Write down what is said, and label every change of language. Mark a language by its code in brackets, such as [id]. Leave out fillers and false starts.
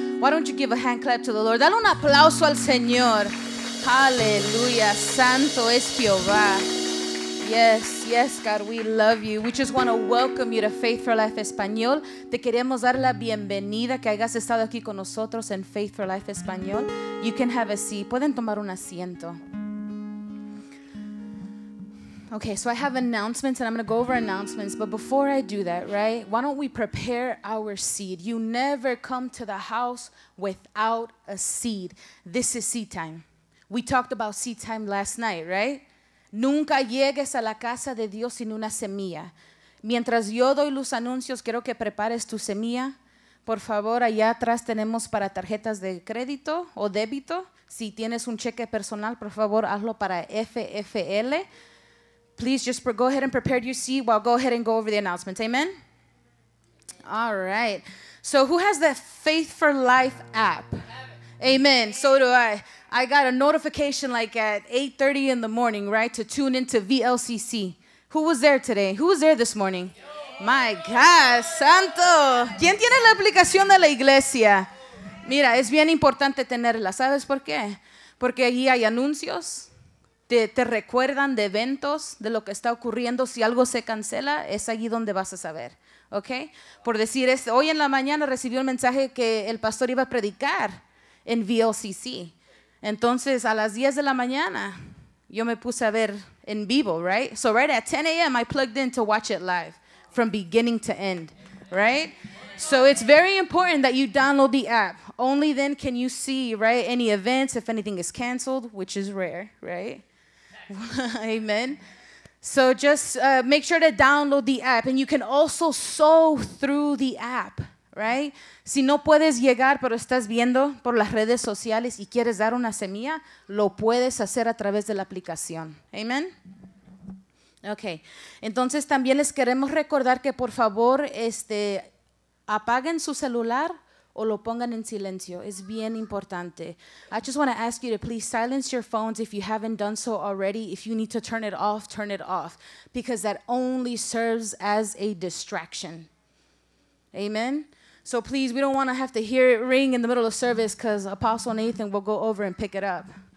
[en] Why don't you give a hand clap to the Lord? [es] Dale un aplauso al Señor. [en] Hallelujah. [es] Santo es Jehová. [en] Yes, yes, God, we love you. We just want to welcome you to Faith for Life Español. [es] Te queremos dar la bienvenida que hayas estado aquí con nosotros en Faith for Life Español. [en] You can have a seat. [es] Pueden tomar un asiento. [en] Okay, so I have announcements, and I'm going to go over announcements, but before I do that, right, why don't we prepare our seed? You never come to the house without a seed. This is seed time. We talked about seed time last night, right? [es] Nunca llegues a la casa de Dios sin una semilla. Mientras yo doy los anuncios, quiero que prepares tu semilla. Por favor, allá atrás tenemos para tarjetas de crédito o débito. Si tienes un cheque personal, por favor, hazlo para FFL. [en] Please just go ahead and prepare your seat while go ahead and go over the announcements. Amen? All right. So who has the Faith for Life app? Amen. So do I. I got a notification like at 8:30 in the morning, right, to tune into VLCC. Who was there today? Who was there this morning? My God, [es] santo. ¿Quién tiene la aplicación de la iglesia? Mira, es bien importante tenerla. ¿Sabes por qué? Porque allí hay anuncios. Te recuerdan de eventos, de lo que está ocurriendo. Si algo se cancela, es allí donde vas a saber. ¿Ok? Por decir, hoy en la mañana recibí un mensaje que el pastor iba a predicar en VLCC. Entonces, a las 10 de la mañana, yo me puse a ver en vivo, right? [en] So right at 10 a.m., I plugged in to watch it live from beginning to end, right? So it's very important that you download the app. Only then can you see, right, any events, if anything is canceled, which is rare, right? Amen. So just make sure to download the app. And you can also sow through the app, right? [es] Si no puedes llegar, pero estás viendo por las redes sociales y quieres dar una semilla, lo puedes hacer a través de la aplicación. Amen. Okay. Entonces también les queremos recordar que por favor, apaguen su celular o lo pongan en silencio. Es bien importante. [en] I just want to ask you to please silence your phones if you haven't done so already. If you need to turn it off, turn it off. Because that only serves as a distraction. Amen? So please, we don't want to have to hear it ring in the middle of service because Apostle Nathan will go over and pick it up.